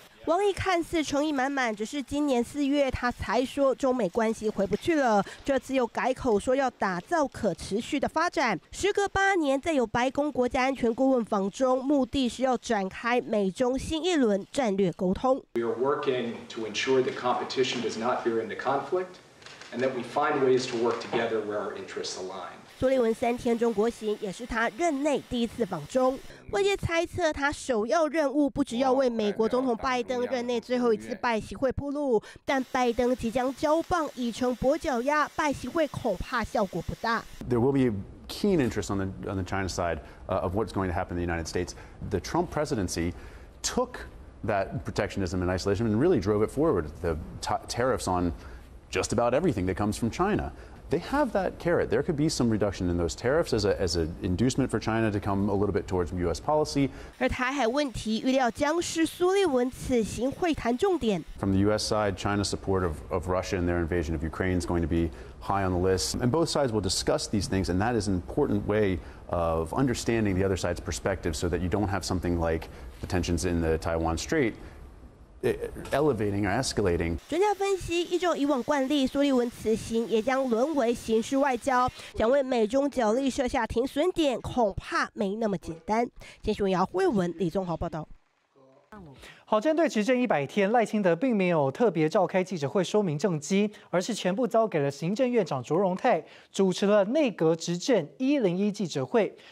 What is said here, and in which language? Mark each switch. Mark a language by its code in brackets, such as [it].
[zh] 王毅看似诚意满满，只是今年四月他才说中美关系回不去了，这次又改口说要打造可持续的发展。时隔八年，再有白宫国家安全顾问访中，目的是要展开美中新一轮战略沟通。 [en] We are working to ensure that competition does not veer into conflict, and that we find ways to work together where our interests align. [zh] 苏利文三天中国行也是他任内第一次访中，外界猜测他首要任务不只要为美国总统拜登任内最后一次拜习会铺路，但拜登即将交棒已成跛脚鸭，拜习会恐怕效果不大。 [en] There will be keen interest on the China side of what's going to happen in the United States. The Trump presidency took that protectionism and isolation and really drove it forward. The tariffs on just about everything that comes from China. They have that carrot. There could be some reduction in those tariffs as an inducement for China to come a little bit towards U.S. policy. [zh] 而台海问题预料将是苏利文此行会谈重点。 [en] From the U.S. side, China's support of Russia and their invasion of Ukraine is going to be high on the list. And both sides will discuss these things, and that is an important way of understanding the other side's perspective so that you don't have something like the tensions in the Taiwan Strait. Elevating or escalating. [zh] 专家分析，依照以往惯例，苏利文此行也将沦为形式外交，想为美中角力设下停损点，恐怕没那么简单。先请姚慧文、李宗豪报道。好，针对执政100天，赖清德并没有特别召开记者会说明政绩，而是全部交给了行政院长卓荣泰主持了内阁执政101记者会。